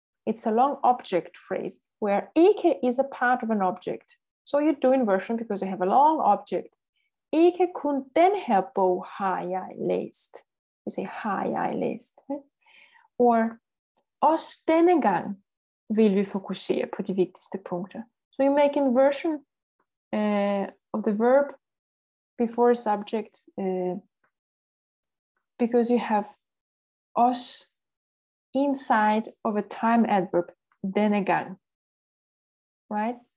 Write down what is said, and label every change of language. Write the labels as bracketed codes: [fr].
[en] It's a long object phrase where ikke is a part of an object. So you do inversion because you have a long object. [da] Ikke kun den her bog har jeg læst. [en] You say, [da] har jeg læst. [en] Or, [da] også denne gang vil vi fokusere på de vigtigste punkter. [en] So you make inversion of the verb before a subject because you have os inside of a time adverb, [da] denne gang, [en] right?